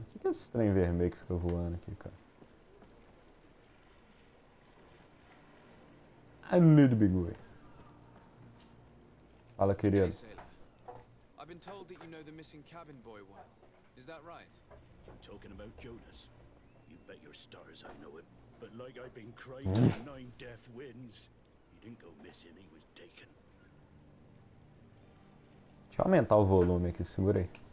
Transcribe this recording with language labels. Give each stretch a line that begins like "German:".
Portuguese: O que é esse trem vermelho que fica voando aqui, cara?
English: I need a big way.
Portuguese: Fala, querido. Olá,
English: sailor. I've been told that you know the missing cabin boy well. Is that right? I'm talking about Jonas. You bet your stars I know him. But like I've been crying to nine deaf winds, he didn't go missing, he was taken.
Portuguese: Deixa eu aumentar o volume aqui, segura aí.